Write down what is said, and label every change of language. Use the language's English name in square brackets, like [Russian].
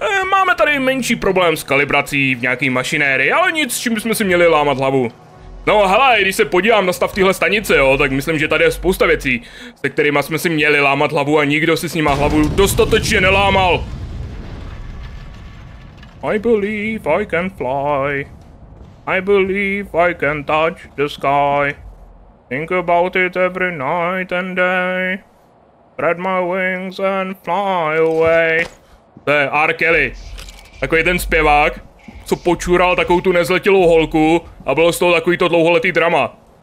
[Czech] Máme tady menší problém s kalibrací v nějaký mašinérii, ale nic, čím bychom si měli lámat hlavu. No hele, když se podívám na stav téhle stanice, jo, tak myslím, že tady je spousta věcí, se kterýma jsme si měli lámat hlavu a nikdo si s nima hlavu dostatečně nelámal. [English] I believe I can fly. I believe I can touch the sky. Think about it every night and day. Spread my wings and fly away. [Czech] To je R. Kelly. Takový ten zpěvák, co počural takovou tu nezletilou holku a bylo z toho takový to dlouholetý drama.